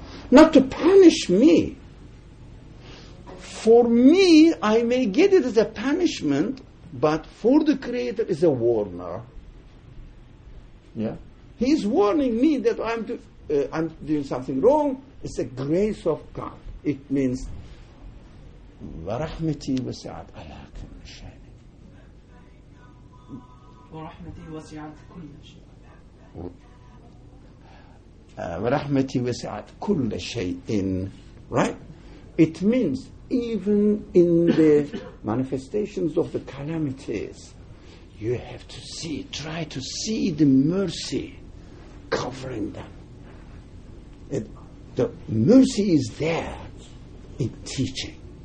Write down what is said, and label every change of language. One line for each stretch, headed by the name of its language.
English: Not to punish me. For me, I may get it as a punishment, but for the Creator is a warner. Yeah, He's warning me that I'm doing something wrong. It's the grace of God. It means
Arabic: وَرَحْمَتِي وَسِعَتْ عَلَىٰ كُلِّ شَيْءٍ وَرَحْمَتِي وَسِعَتْ كُلِّ شَيْءٍ ورحمتي وسعت كل شيء, right?
English: It means even in the manifestations of the calamities, you have to see, try to see the mercy covering them. It, the mercy is there in teaching.